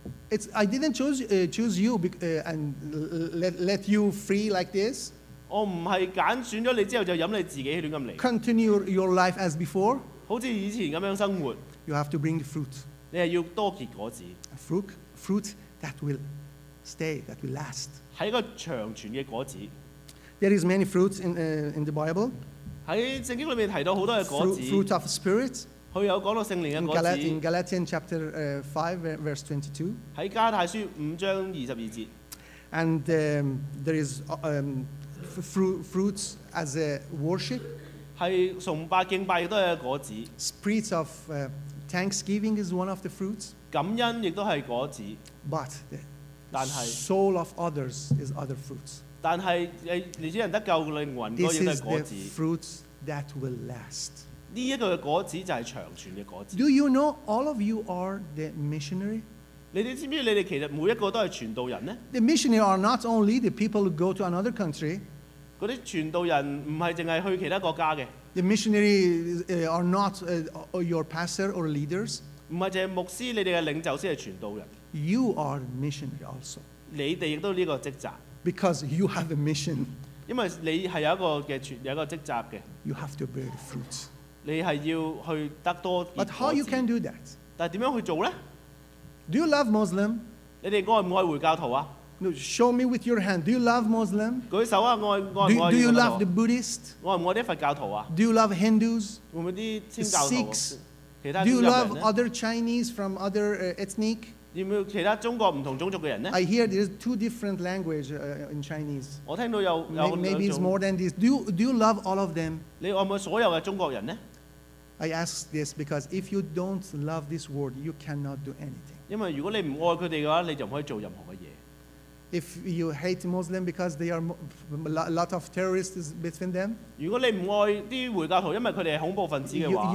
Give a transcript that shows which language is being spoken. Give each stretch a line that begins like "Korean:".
English: It's I didn't choose you and let you free like this.
Cantonese: 我唔係揀選咗你之後就任你自己亂咁嚟。
English: Continue your life as before.
Cantonese: 好似以前咁樣生活。
English: You have to bring the fruit.
Cantonese: 你係要多結果子。
English: Fruit that will stay, that will last.
Cantonese: 係一個長存嘅果子。
English: There is many fruits in the Bible.
Cantonese: 喺聖經裏面提到好多嘅果子。
English: Fruit of Spirit.
Cantonese: 佢有講到聖靈嘅果子。
English: In Galatians chapter 5 verse 22.
Cantonese: 喺加太書五章二十二節。
English: And there is fruits as a worship.
Cantonese: 係崇拜敬拜亦都係果子。
English: Spirit of thanksgiving is one of the fruits.
Cantonese: 感恩亦都係果子。
English: But the soul of others is other fruits.
Cantonese: 但係誒，你只人得救靈魂嗰樣嘅果子。
English: This is the fruits that will last。
Cantonese: 呢一個嘅果子就係長存嘅果子。
English: Do you know all of you are the missionary？
Cantonese: 你哋知唔知你哋其實每一個都係傳道人咧
English: ？The missionary are not only the people who go to another country。
Cantonese: 嗰啲傳道人唔係淨係去其他國家嘅。
English: The missionary are not your pastor or leaders。
Cantonese: 唔係淨係牧師，你哋嘅領袖先係傳道人。
English: You are missionary also。
Cantonese: 你哋亦都呢個職責。
English: Because you have a mission.
Cantonese: 因為你係有一個職責嘅。
English: You have to bear the fruits.
Cantonese: 你係要去得多。
English: But how you can do that?
Cantonese: 但點樣去做咧
English: ？Do you love Muslim?
Cantonese: 你哋愛唔愛回教徒啊
English: ？No, show me with your hand. Do you love Muslim?
Cantonese: 舉手啊，愛唔愛？
English: Do you love the Buddhist?
Cantonese: 愛唔愛啲佛教徒啊
English: ？Do you love Hindus?
Cantonese: 會唔會啲天教徒？
English: Sikhs.
Cantonese: 其他宗教人咧
English: ？Do you love other Chinese from other ethnic?
Cantonese: 有冇其他中國唔同種族嘅人咧
English: ？I hear there is two different language in Chinese。
Cantonese: 我聽到有兩種。
English: Maybe it's more than this. Do you love all of them？
Cantonese: 你愛唔愛所有嘅中國人咧
English: ？I ask this because if you don't love this world, you cannot do anything。
Cantonese: 因為如果你唔愛佢哋嘅話，你就唔可以做任何嘅嘢。
English: If you hate Muslim because they are a lot of terrorists between them，
Cantonese: 如果你唔愛啲回教徒，因為佢哋係恐怖分子嘅話